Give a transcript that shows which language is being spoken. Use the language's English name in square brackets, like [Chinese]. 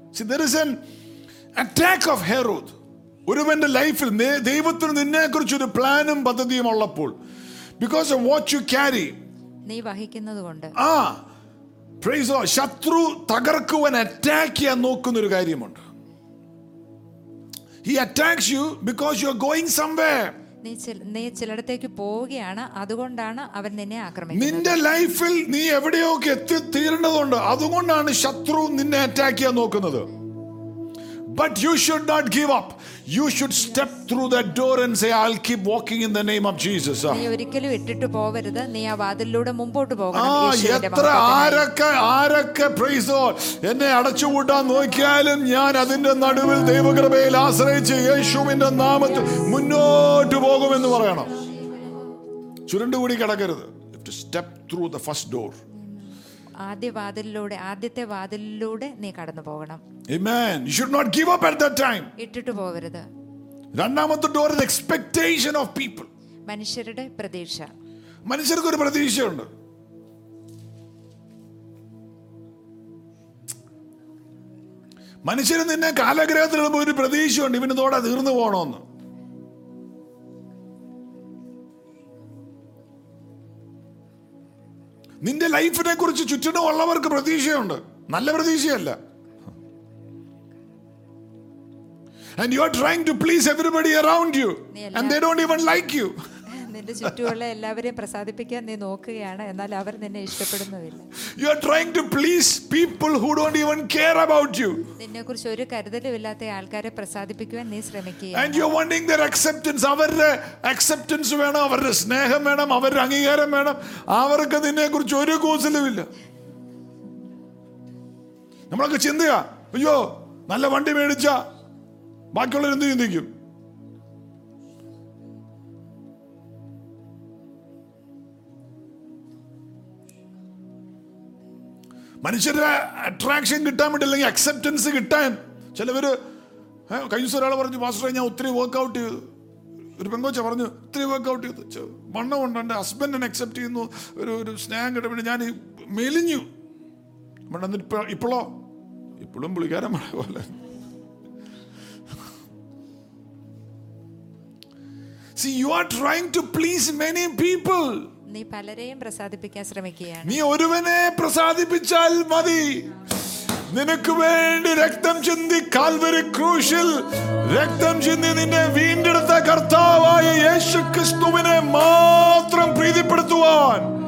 [English] See, there is an attack of Herod. [Malayalam] ഒരുവന്റെ ലൈഫിൽ ദൈവത്തിന് നിന്നെ കുറിച്ച് ഒരു പ്ലാനും പദ്ധതിയും ഉള്ളപ്പോൾ, [English] because of what you carry, [Malayalam] നീ വഹിക്കുന്നതുകൊണ്ട്, praise God, ശത്രു തകർക്കുവാൻ അറ്റാക്ക് ചെയ്യാൻ നോക്കുന്ന ഒരു കാര്യമുണ്ട്. [English] He attacks you because you are going somewhere. [Malayalam] നീ ചിലയിടത്തേക്ക് പോവുകയാണ്, അതുകൊണ്ടാണ് അവൻ നിന്നെ ആക്രമിക്കുന്നത്. നിന്റെ ലൈഫിൽ നീ എവിടെയൊക്കെ എത്തി തീരേണ്ടതുണ്ട്, അതുകൊണ്ടാണ് ശത്രു നിന്നെ അറ്റാക്ക് ചെയ്യാൻ നോക്കുന്നത്. [English] But you should not give up. You should step through that door and say, I'll keep walking in the name of Jesus. [Malayalam] നീ ഒരിക്കലും ഇട്ടിട്ട് പോവരുത്, നീ ആ വാതിലിലൂടെ മുമ്പോട്ട് പോകണം. എത്ര ആരൊക്കെ പ്രൈസ് ഗോഡ് എന്നെ അടച്ചുപൂട്ടാൻ നോക്കിയാലും ഞാൻ അതിന്റെ നടുവിൽ ദൈവകൃപയിൽ ആശ്രയിച്ച് യേശുവിന്റെ നാമത്തിൽ മുന്നോട്ട് പോകുമെന്ന് പറയണം. ചുരുണ്ടുകൂടി കിടക്കരുത്. [English] Step through the first door. [Malayalam] ആദ്യ വാതിലിലൂടെ, ആദ്യത്തെ വാതിലിലൂടെ നീ കടന്നു പോകണം. [English] Amen. You should not give up at that time. [Malayalam] ഇട്ടിട്ട് പോവരുത്. [English] രണ്ടാമത്തെ door is expectation of people. [Malayalam] മനുഷ്യരുടെ പ്രതീക്ഷ. മനുഷ്യർക്ക് ഒരു പ്രതീക്ഷയുണ്ട്. മനുഷ്യർ നിന്നെ കാലഗ്രഹത്തിൽ ഇടുമ്പോൾ ഒരു പ്രതീക്ഷയുണ്ട്, ഇവന് ഇതോടെ തീർന്നു പോകണമെന്ന്. നിന്റെ ലൈഫിനെ കുറിച്ച് ചുറ്റിനും ഉള്ളവർക്ക് പ്രതീക്ഷയുണ്ട്, നല്ല പ്രതീക്ഷയല്ല. [English] And you are trying to please everybody around you, and they don't even like you. [Malayalam] നിന്റെ ചുറ്റുമുള്ള എല്ലാവരെയും പ്രസാദിപ്പിക്കാൻ നീ നോക്കുകയാണ്, എന്നാൽ അവർ നിന്നെ ഇഷ്ടപ്പെടുന്നില്ല. [English] You are trying to please people who don't even care about you. [Malayalam] നിന്നെ കുറിച്ച് ഒരു കരുതലും ഇല്ലാത്ത ആൾക്കാരെ പ്രസാദിപ്പിക്കാൻ നീ ശ്രമിക്കുകയാണ്. [English] And you are wanting their acceptance. [Malayalam] അവരുടെ acceptance വേണം, അവരുടെ സ്നേഹം വേണം, അവരുടെ അംഗീകാരം വേണം. അവർക്ക് നിന്നെ കുറിച്ച് ഒരു കൂസലും ഇല്ല. നമ്മളൊക്കെ ചിന്തിക്ക, അയ്യോ നല്ല വണ്ടി മേടിച്ച ബാക്കിയുള്ളവർ എന്ത് ചിന്തിക്കും? മനുഷ്യരുടെ അട്രാക്ഷൻ കിട്ടാൻ വേണ്ടി, അല്ലെങ്കിൽ അക്സെപ്റ്റൻസ് കിട്ടാൻ ചിലവര് കഴിഞ്ഞ ഒരാൾ പറഞ്ഞു, മാസ്റ്ററെ ഞാൻ ഒത്തിരി വർക്ക്ഔട്ട് ചെയ്തു. ഒരു പെങ്കോച്ച പറഞ്ഞു, ഒത്തിരി വർക്ക്ഔട്ട് ചെയ്തു, വണ്ണം കൊണ്ട് എൻ്റെ ഹസ്ബൻഡ് എന്നെ അക്സെപ്റ്റ് ചെയ്യുന്നു, ഒരു ഒരു സ്നേഹം കിട്ടാൻ വേണ്ടി ഞാൻ മെലിഞ്ഞു. ഇപ്പോഴോ ഇപ്പോഴും പുള്ളിക്കാരൻ മഴ പോലെ. [English] See, you are trying to please many people. [Malayalam] നീ പലരെയും പ്രസാദിപ്പിക്കാൻ ശ്രമിക്കുകയാണ്. നീ ഒരുവനെ പ്രസാദിപ്പിച്ചാൽ മതി, നിനക്ക് വേണ്ടി രക്തം ചിന്തി കാൽവരി ക്രൂശിൽ രക്തം ചിന്തി നിന്നെ വീണ്ടെടുത്ത കർത്താവായ യേശുക്രിസ്തുവിനെ മാത്രം പ്രീതിപ്പെടുത്തുവാൻ.